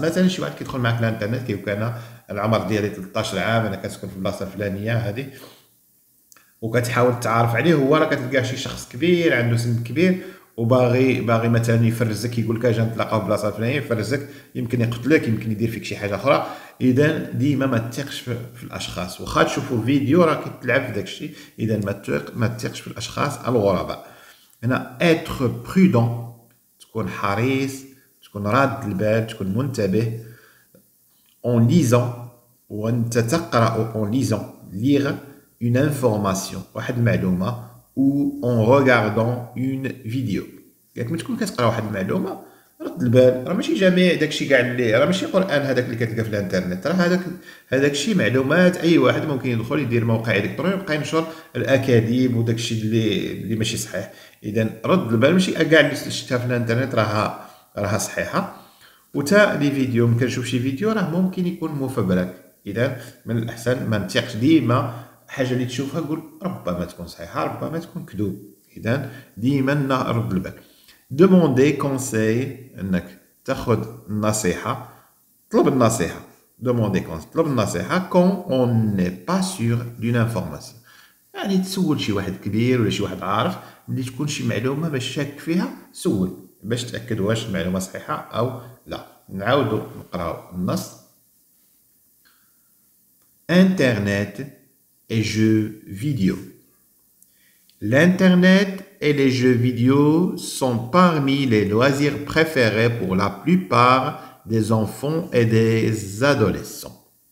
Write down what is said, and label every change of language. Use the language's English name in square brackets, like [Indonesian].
[Arabic] مثلا شي واحد كيدخل معك الانترنت كيقول انا العمر ديالي 13 عام، انا كنسكن في البلاصه الفلانيه هذه، وكتحاول تعرف عليه، هو راه كتلقاه شي شخص كبير عنده سن كبير وباغي مثلا يفرزك، يقول لك اجي نتلاقاو في بلاصه فلانيه، يفرزك، يمكن يقتلك، يمكن يدير فيك شي حاجه اخرى. اذا ديما ما تثقش في الاشخاص، واخا تشوفوا فيديو راه كتلعب في داك الشيء. اذا ما تثقش في الاشخاص الغرباء. هنا [French] être prudent، [Arabic] تكون حريص، تكون راد البال، تكون منتبه. [French] en lisant، [Arabic] وانت تقرا، [French] en lisant lire une information، [Arabic] واحد المعلومه، [French] ou en regardant une vidéo. [Arabic] قالك ملي تكون كتقرا واحد المعلومه رد البال، راه ماشي جميع داكشي كاع اللي، راه ماشي قران هذاك اللي كتلقى في الانترنت، راه هذاك الشيء معلومات اي واحد ممكن يدخل يدير موقع الكتروني ويبقى ينشر الاكاذيب وداكشي اللي ماشي صحيح. اذا رد البال، ماشي كاع اللي شفتها في الانترنت راها صحيحه. وتا لي فيديو، ملي كنشوف شي فيديو راه ممكن يكون مفبرك. اذا من الاحسن ما نثقش ديما حاجه اللي تشوفها، قول ربما تكون صحيحه، ربما تكون كذوب. اذا ديما نرد البال. [French] دوموندي كونساي، [Arabic] انك تاخذ النصيحه، طلب النصيحه. [French] دوموندي كونساي، [Arabic] طلب النصيحه. [French] كون اون ني با سور دون انفورماسيون، [Arabic] يعني تسول شي واحد كبير ولا شي واحد عارف، ملي تكون شي معلومه باش شاك فيها سول باش تاكد واش المعلومه صحيحه او لا. نعاودو نقراو النص. [French] انترنت et jeux vidéo. L'internet et les jeux vidéo sont parmi les loisirs préférés pour la plupart des enfants et des adolescents.